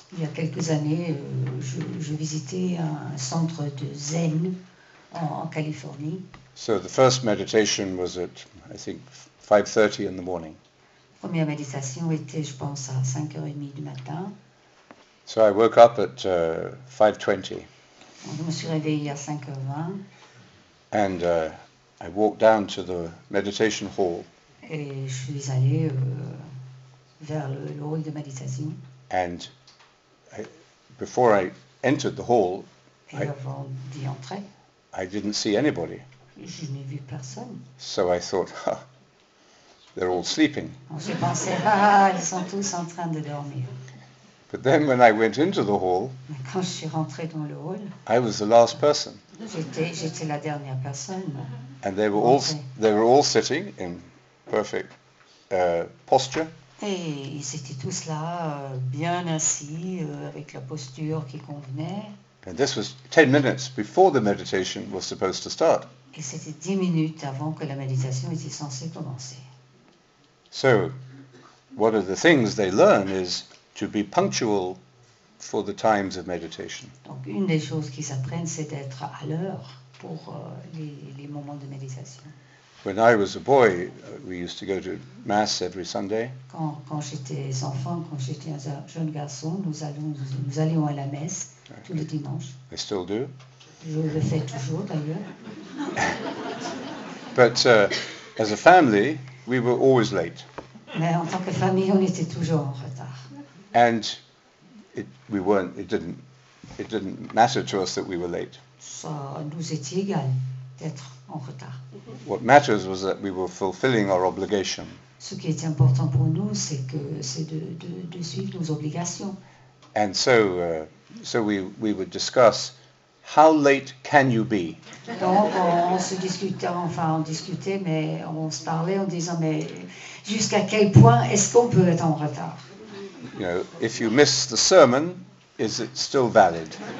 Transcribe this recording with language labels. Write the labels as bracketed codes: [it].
[fr] Il y a quelques années, je visitais un centre de Zen en Californie. [en] So the first meditation was at, I think, 5:30 in the morning. [fr] La première méditation était, je pense, à 5h30 du matin. [en] So I woke up at 5:20. [fr] Donc, je me suis réveillé à 5h20. [en] And I walked down to the meditation hall. [fr] Et je suis allé vers le hall de méditation. [en] And before I entered the hall, [fr] avant d'y entrer, [en] I didn't see anybody. [fr] Je n'ai vu personne. [en] So I thought, they're all sleeping. [fr] J'ai pensé, ils sont tous en train de dormir. [en] But then when I went into the hall, [fr] quand je suis rentré dans le hall, [en] I was the last person. [fr] J'étais la dernière personne. [en] And they were all sitting in perfect posture. [fr] Et ils étaient tous là, bien assis, avec la posture qui convenait. [en] And this was 10 minutes before the meditation was supposed to start. [fr] Et c'était 10 minutes avant que la méditation était censée commencer. [en] So, one of the things they learn is to be punctual for the times of meditation. [fr] Donc, une des choses qu'ils apprennent, c'est d'être à l'heure pour les moments de méditation. [en] When I was a boy, we used to go to Mass every Sunday. [fr] Quand j'étais enfant, quand j'étais un jeune garçon, nous allions à la messe tous les dimanches. [en] I still do. [fr] Je le fais toujours, d'ailleurs. [en] But as a family, we were always late. [fr] Mais en tant que famille, on était toujours en retard. [en] And it didn't matter to us that we were late. [fr] Ça nous était égal d'être en retard. [en] What matters was that we were fulfilling our obligation. [fr] Ce qui était important pour nous, c'est de suivre nos obligations. [en] And so we would discuss, how late can you be? [fr] Donc on se parlait en disant, mais jusqu'à quel point est-ce qu'on peut être en retard? [en] You know, if you miss the sermon, is it still valid?